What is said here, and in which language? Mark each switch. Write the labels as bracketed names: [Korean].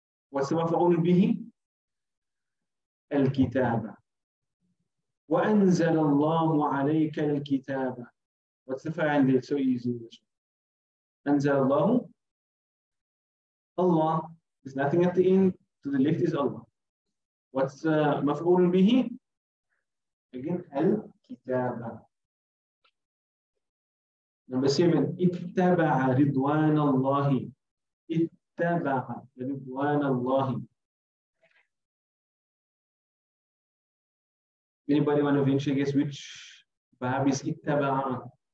[English] What's the مفعول به? [Arabic] الْكِتَابَ. وَأَنْزَلَ اللَّهُ عَلَيْكَ الْكِتَابَ. [English] What's the fa'il there? So easy. [Arabic] أَنْزَلَ اللَّهُ. Allah. [English] There's nothing at the end. To the left is Allah. What's مفعول به? [Arabic] Again, الْكِتَابَ. [English] Number 7. [Arabic] اتَّبَعَ رِضْوَانَ اللَّهِ. اتَّبَعَ رِضْوَانَ اللَّهِ. [English] Anybody want to venture, guess which verb is ittaba'a?